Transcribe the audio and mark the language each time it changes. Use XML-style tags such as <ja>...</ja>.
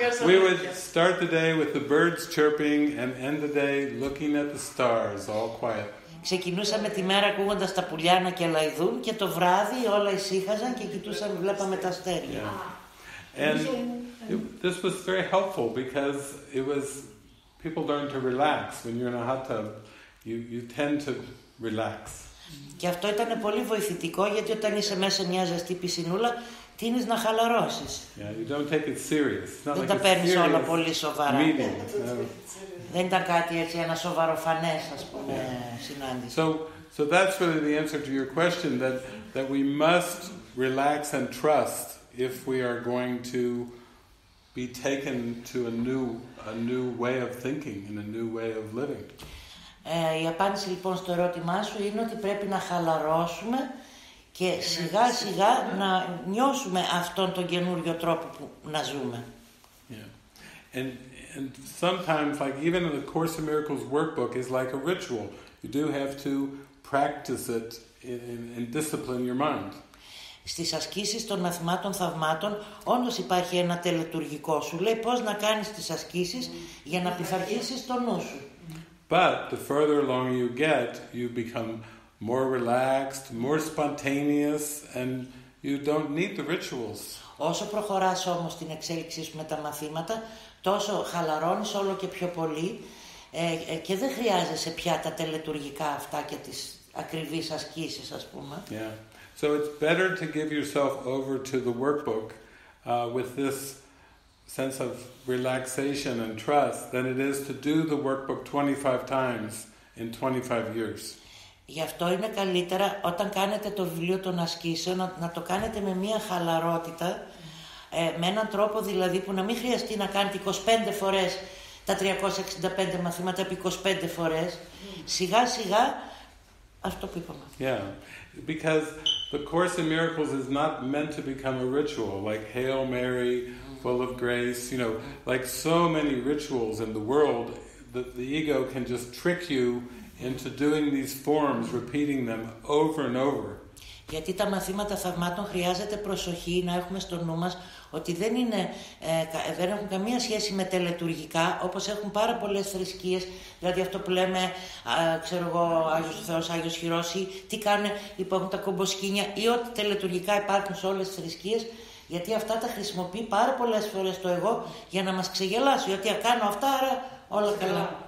<en>We would start the day with the birds chirping and end the day looking at the stars, all quiet.</en> <el>Ξεκινούσαμε τη μέρα ακούγοντας τα πουλιά να κελαϊδούν και το βράδυ όλα ησύχαζαν και κοιτούσαμε, βλέπαμε τα αστέρια.</el> <en>And this was very helpful because it was people learn to relax. When you're in a hot tub, you tend to relax.</en> <el>Και αυτό ήταν πολύ βοηθητικό, γιατί όταν είσαι μέσα μια ζεστή πισινούλα, τίνεις να χαλαρώσεις.</el> <en>Yeah, you don't take it serious. It's not</en> <el>δεν</el> <en>like</en> <el>τα παίρνεις όλα πολύ σοβαρά.</el> <en>Meeting, no.</en> <el>Δεν ήταν κάτι έτσι, ένα σοβαροφανές, ας πούμε, συνάντηση.</el> <en>So that's really the answer to your question, that we must relax and trust if we are going to be taken to a new way of thinking and a new way of living.</en> <el>Η απάντηση λοιπόν στο ερώτημά σου είναι ότι πρέπει να χαλαρώσουμε και σιγά σιγά να νιώσουμε αυτόν τον καινούριο τρόπο που να ζούμε.</el> <en>Yeah. And sometimes, like even in the Course in Miracles workbook, is like a ritual. You do have to practice it and discipline your mind.</en> <el>Στις ασκήσεις των μαθημάτων θαυμάτων, όντως υπάρχει ένα τελετουργικό. Σου λέει πώς να κάνεις τις ασκήσεις για να πειθαρχήσεις το νου σου.</el> <en>But the further along you get, you become more relaxed, more spontaneous, and you don't need the rituals.</en> <el>Όσο προχωράς όμως την εξέλιξή σου με τα μαθήματα, τόσο χαλαρώνεις όλο και πιο πολύ και δεν χρειάζεσαι πια τα τελετουργικά αυτά και τις ακριβείς ασκήσεις, ας πούμε.</el> <en>Yeah. So it's better to give yourself over to the workbook with this sense of relaxation and trust than it is to do the workbook 25 times in 25 years.</en> <el>Γι' αυτό είναι καλύτερα όταν κάνετε το βιβλίο των ασκήσεων να το κάνετε με μια χαλαρότητα, με έναν τρόπο δηλαδή που να μην χρειαστεί να κάνετε 25 φορές τα 365 μαθήματα επί 25 φορές, σιγά σιγά αυτό που είπαμε.</el> <en>Yeah, because the Course in Miracles is not meant to become a ritual, like Hail Mary, full of grace, you know, like so many rituals in the world, that the ego can just trick you into doing these forms, repeating them over and over.</en> <el>Γιατί τα μαθήματα θαυμάτων χρειάζεται προσοχή να έχουμε στο νου μας ότι δεν έχουν καμία σχέση με τελετουργικά όπως έχουν πάρα πολλές θρησκείες, δηλαδή αυτό που λέμε, ξέρω εγώ, Άγιος Θεός, Άγιος Χειρός ή τι κάνουν υπάρχουν τα κομποσκήνια ή ό,τι τελετουργικά υπάρχουν σε όλες τις θρησκείες, γιατί αυτά τα χρησιμοποιεί πάρα πολλές φορές το εγώ για να μας ξεγελάσει, γιατί κάνω αυτά, άρα όλα καλά.</el>